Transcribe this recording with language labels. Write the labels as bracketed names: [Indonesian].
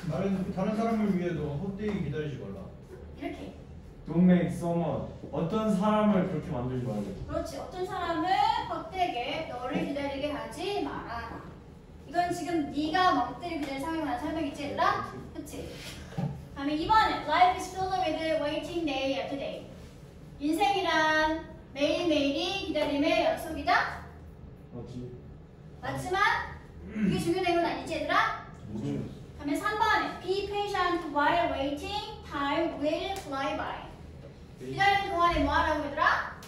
[Korean] 다른 사람을 위해 너 헛되게 기다리지 말라. 이렇게 [English] Don't make someone [Korean] 어떤 사람을 그렇게 만들지 말라. 그렇지. 어떤 사람을 헛되게 너를 기다리게 하지 마라. 이건 지금 네가 멍때리고 기다릴 상황에 관한 설명이지 않나? 그렇지. 다음에 2번은 [English] Life is filled with waiting day after day. [Korean] 인생이란 매일매일이 기다림의 연속이다? 맞지. 맞지만 그게 중요한 건 아니지 얘들아? 모르겠어. 다음에 3번은 [English] Be patient while waiting. Time will fly by. [Korean] 기다리는 동안에 뭐하라고 얘들아?